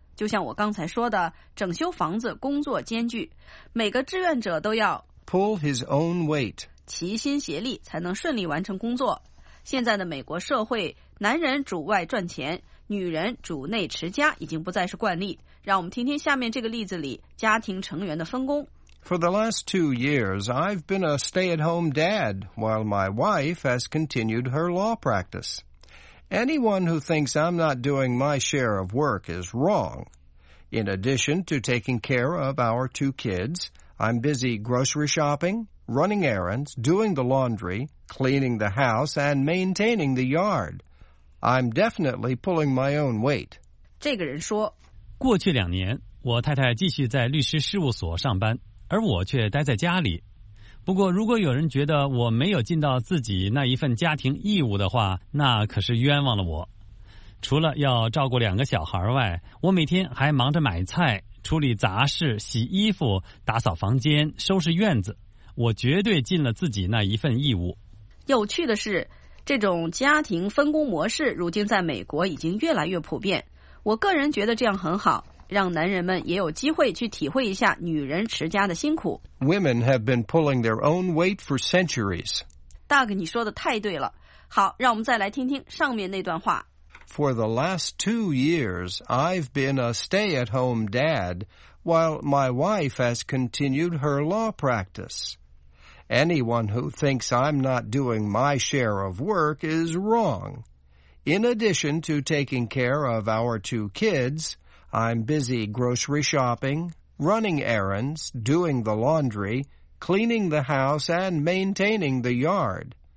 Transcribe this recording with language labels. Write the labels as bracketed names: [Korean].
[Chinese] 就像我刚才说的，整修房子工作艰巨，每个志愿者都要 [English] Pull his own weight. [Chinese] 齐心协力才能顺利完成工作。现在的美国社会，男人主外赚钱，女人主内持家已经不再是惯例。让我们听听下面这个例子里家庭成员的分工。 [English] For the last 2 years, I've been a stay-at-home dad while my wife has continued her law practice. Anyone who thinks I'm not doing my share of work is wrong. In addition to taking care of our 2 kids... I'm busy grocery shopping, running errands, doing the laundry, cleaning the house, and maintaining the yard. I'm definitely pulling my own weight. [Chinese] 这个人说，过去两年，我太太继续在律师事务所上班，而我却待在家里。不过，如果有人觉得我没有尽到自己那一份家庭义务的话，那可是冤枉了我。除了要照顾两个小孩外，我每天还忙着买菜。处理杂事、洗衣服、打扫房间、收拾院子，我绝对尽了自己那一份义务。有趣的是，这种家庭分工模式如今在美国已经越来越普遍。我个人觉得这样很好，让男人们也有机会去体会一下女人持家的辛苦。 [English] Women have been pulling their own weight for centuries. [Chinese] Doug, 你说的太对了。好，让我们再来听听上面那段话。 [English] For the last 2 years, I've been a stay-at-home dad, while my wife has continued her law practice. Anyone who thinks I'm not doing my share of work is wrong. In addition to taking care of our two kids, I'm busy grocery shopping, running errands, doing the laundry, cleaning the house, and maintaining the yard.